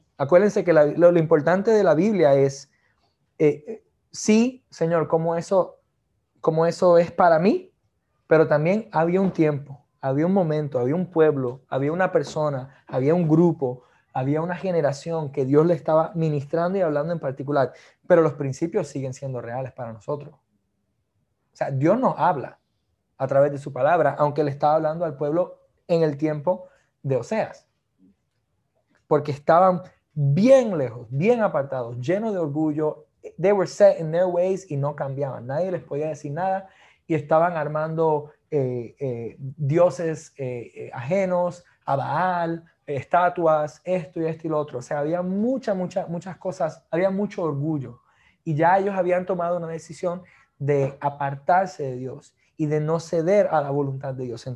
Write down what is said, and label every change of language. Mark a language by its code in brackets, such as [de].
[es] Acuérdense que lo importante de la Biblia es, sí, Señor, como eso es para mí, pero también había un tiempo, había un momento, había un pueblo, había una persona, había un grupo, había una generación que Dios le estaba ministrando y hablando en particular, pero los principios siguen siendo reales para nosotros. O sea, Dios nos habla a través de su palabra, aunque le estaba hablando al pueblo en el tiempo de Oseas, porque estaban bien lejos, bien apartados, llenos de orgullo. [en] They were set in their ways [es] y no cambiaban. Nadie les podía decir nada y estaban armando dioses ajenos, a Baal, estatuas, esto y esto y lo otro. O sea, había muchas cosas, había mucho orgullo. Y ya ellos habían tomado una decisión de apartarse de Dios y de no ceder a la voluntad de Dios.